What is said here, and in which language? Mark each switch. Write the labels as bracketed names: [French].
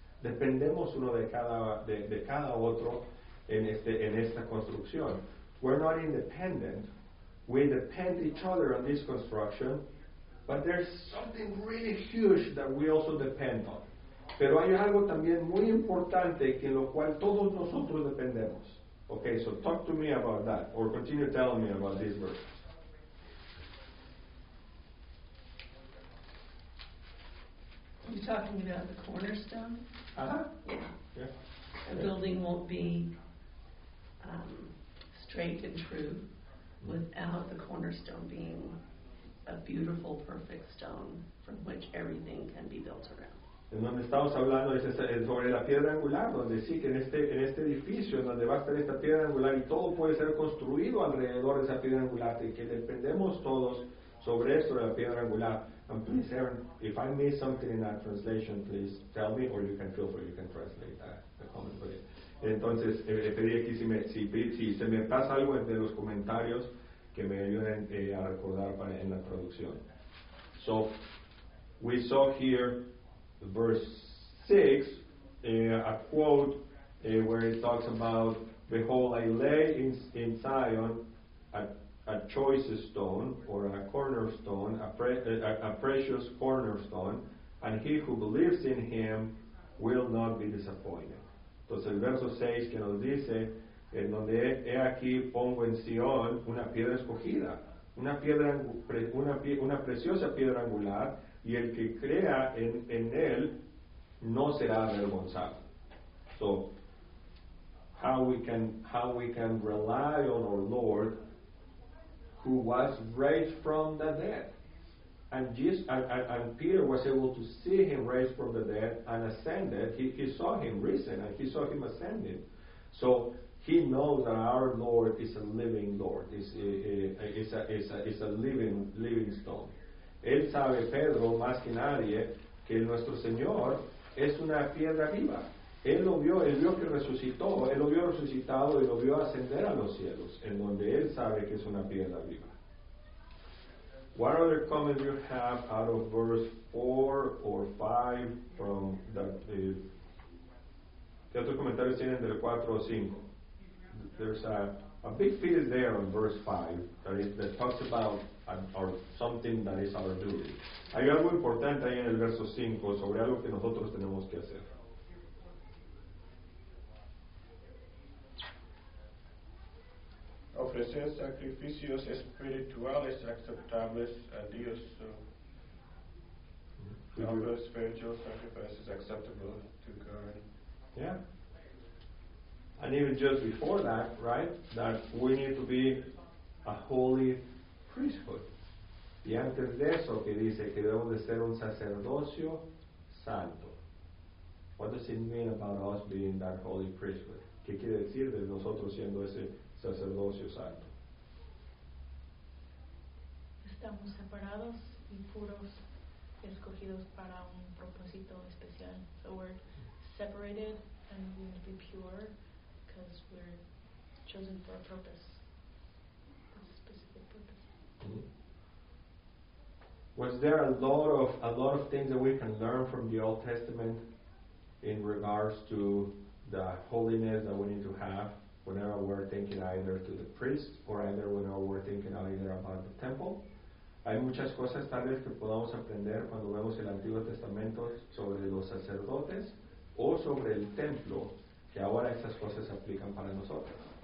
[Spanish] dependemos uno de cada de cada otro en este en esta construcción. [English] We're not independent. We depend each other on this construction, but there's something really huge that we also depend on. [Spanish] Pero hay algo también muy importante que en lo cual todos nosotros dependemos. [English] Okay, so talk to me about that, or continue telling me about this verse. You're talking about the cornerstone? Yeah. A building won't be straight and true without the cornerstone being a beautiful, perfect stone from which everything can be built around. [Spanish] En donde estamos hablando es sobre la piedra angular, donde sí, que en este edificio, en donde va a estar esta piedra angular y todo puede ser construido alrededor de esa piedra angular, y que dependemos todos sobre esto de la piedra angular. [English] And please, Aaron, if I miss something in that translation, please tell me, or you can feel free, you can translate that, the comment, please. [Spanish] Entonces, le pedí aquí, si se me pasa algo entre los comentarios, que me ayuden a recordar para, en la traducción. [English] So, we saw here, verse 6, a quote where it talks about, behold, I lay in Zion a choice stone, or a cornerstone, a precious cornerstone, and he who believes in him will not be disappointed. [Spanish] Entonces el verso 6 que nos dice, en donde he aquí pongo en Sion una piedra escogida, una preciosa piedra angular, y el que crea en él no será avergonzado. [English] So, how we can rely on our Lord, who was raised from the dead, and Peter was able to see him raised from the dead and ascended. He saw him risen and he saw him ascending. So he knows that our Lord is a living Lord. is a living stone. [Spanish] Él sabe, Pedro, más que nadie, que nuestro Señor es una piedra viva. Él lo vio resucitado y lo vio ascender a los cielos, en donde Él sabe que es una piedra viva. [English] What other comment do you have out of verse 4 or 5 from the... [Spanish] ¿Qué otros comentarios tienen del 4 o 5? [English] There's a big field there on verse 5 that talks about or something that is our duty. [Spanish] Hay algo importante ahí en el verso 5 sobre algo que nosotros tenemos que hacer. Ofrecer sacrificios espirituales aceptables a Dios. Ofrecer [English] spiritual sacrifices acceptable to God. Yeah. And even just before that, right, that we need to be a holy priesthood. [Spanish] Y antes de eso, que dice que debemos de ser un sacerdocio santo. [English] What does it mean about us being that holy priesthood? [Spanish] ¿Qué quiere decir de nosotros siendo ese sacerdocio santo? Estamos separados y puros, escogidos para un propósito especial. [English] So we're separated and we need to be pure because we're chosen for a purpose. A specific purpose. Mm-hmm. Was there a lot of things that we can learn from the Old Testament in regards to the holiness that we need to have whenever we're thinking either to the priest or either whenever we're thinking either about the temple? [Spanish] Hay muchas cosas tal vez que podamos aprender cuando vemos el Antiguo Testamento sobre los sacerdotes o sobre el templo, que ahora esas cosas se aplican para nosotros.